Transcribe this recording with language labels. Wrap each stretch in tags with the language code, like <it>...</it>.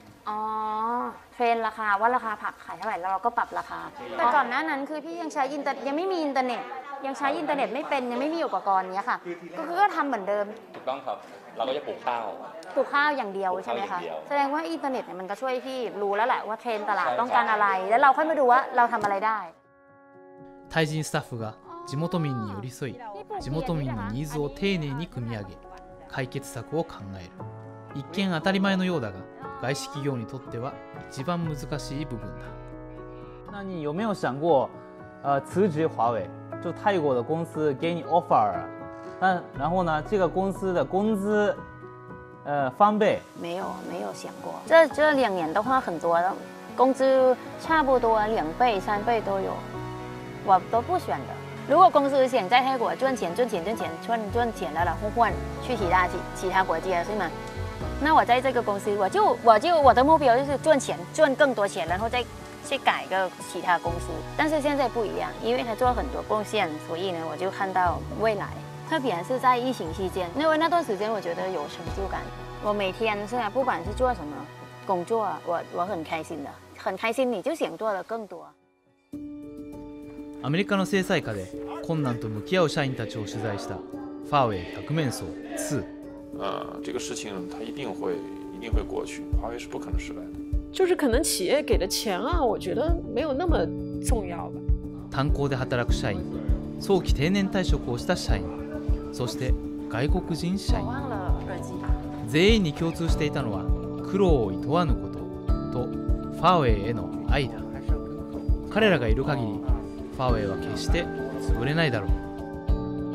<th>อ๋อเทรนราคาว่าราคาผักขายเท่าไหร่แล้วเราก็ปรับราคาแต่ก่อนหน้านั้นคือพี่ยังใช้ยังไม่มีอินเทอร์เน็ตยังใช้อินเทอร์เน็ตไม่เป็นยังไม่มีอุปกรณ์เนี้ยค่ะก็ทำเหมือนเดิม ถูกต้องครับเราก็จะปลูกข้าว ปลูกข้าวอย่างเดียวใช่ไหมคะแสดงว่าอินเทอร์เน็ตเนี่ยมันก็ช่วยพี่รู้แล้วแหละว่าเทรนตลาดต้องการอะไรแล้วเราค่อยมาดูว่าเราทำอะไรได้ไ ทยจีนสตาฟ</th> <ja>が地元民に寄り添い地元民のニーズを丁寧に組み上げ解決策を考える一見当たり前のようだが外資企業にとっては一番難しい部分だ。</ja> <zh>那你有没有想过，辞职华为，就泰国的公司给你 offer， 然后呢，这个公司的工资，翻倍？没有想过。这两年的话，很多的工资差不多2倍、3倍都有，我都不选的。如果公司想在泰国赚钱了，然后换去其他国家，是吗？那我在这个公司，我的目标就是赚钱，赚更多钱，然后再去改一个其他公司。但是现在不一样，因为他做很多贡献，所以呢，我就看到未来。特别是在疫情期间，因为那段时间我觉得有成就感。我每天虽然不管是做什么工作，我很开心的，很开心，你就想做的更多。</zh> <ja>アメリカの制裁下で困難と向き合う社員たちを取材したファーウェイ百面相2。</ja> <zh>这个事情它一定会过去，华为是不可能失败的。就是可能企业给的钱啊，我觉得没有那么重要吧。</zh> <ja>炭鉱で働く社員、早期定年退職をした社員、そして外国人社員、全員に共通していたのは苦労を厭わぬこととファーウェイへの愛だ。彼らがいる限り、ファーウェイは決して潰れないだろう。</ja>